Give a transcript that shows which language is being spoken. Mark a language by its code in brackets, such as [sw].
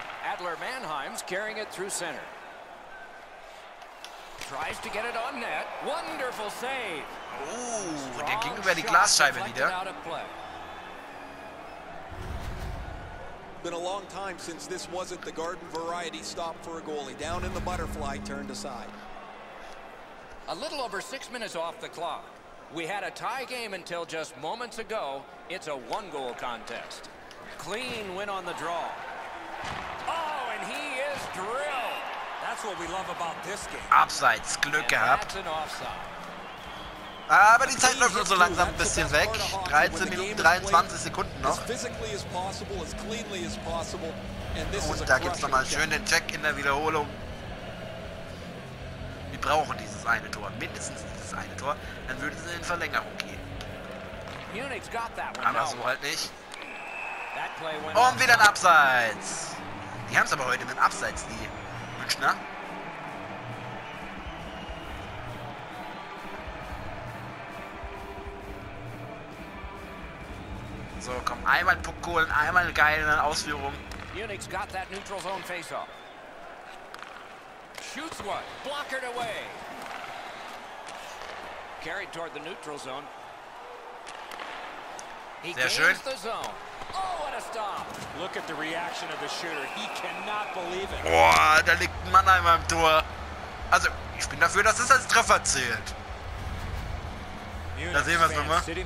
[en] Adler Mannheim's carrying it through center. Tries to get it on net. Wonderful save. [de] Oh, der ging über die Glasscheibe wieder. [en] Been a long time since this wasn't the garden variety stop for a goalie. Down in the butterfly, turned aside. A little over 6 minutes off the clock. We had a tie game until just moments ago. It's a one-goal contest. Clean win on the draw. Oh, and he is drilled. That's what we love about this game. [de] Abseits, Glück gehabt. [en] An offside. [de] Aber die Zeit läuft nur so langsam ein bisschen weg. 13 Minuten 23 Sekunden noch. Und da gibt es nochmal schön den Check in der Wiederholung. Wir brauchen dieses eine Tor, mindestens dieses eine Tor. Dann würden sie in Verlängerung gehen. Aber so halt nicht. Und wieder ein Abseits. Die haben es aber heute mit dem Abseits, die Münchner. So, komm, einmal Puck holen, einmal eine geile Ausführung. [en] Unix got that neutral zone face off. Shoots one, blockered away. Carried toward the neutral zone. He gains the zone. Oh, what a stop! Look at the reaction of the shooter. He cannot believe it. [de] Boah, da liegt ein Mannheim am Tor. Also, ich bin dafür, dass es als Treffer zählt. Da sehen wir es nochmal.